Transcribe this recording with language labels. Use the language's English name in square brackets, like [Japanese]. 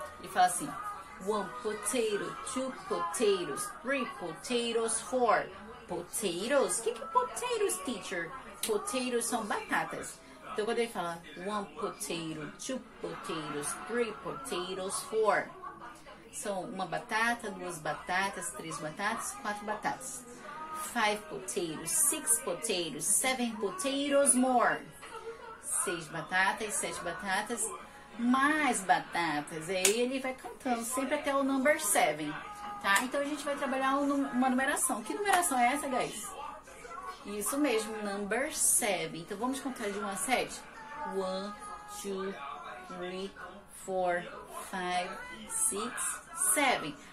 [Portuguese] Ele fala assim, [English] one potato, two potatoes, three potatoes, four. Potatoes? [Portuguese] O que é potatoes, teacher? Potatoes são batatas. Então, quando ele fala [English] one potato, two potatoes, three potatoes, four. [Portuguese] São uma batata, duas batatas, três batatas, quatro batatas. [English] Five potatoes, six potatoes, seven potatoes more. [Portuguese] Seis batatas, sete batatas, mais batatas. E aí ele vai cantando sempre até o [English] number seven. [Portuguese] Tá? Então, a gente vai trabalhar uma numeração. Que numeração é essa, guys? Isso mesmo, [English] number 7. [Portuguese] Então, vamos contar de 1 a 7? 1, 2, 3, 4, 5, 6, 7.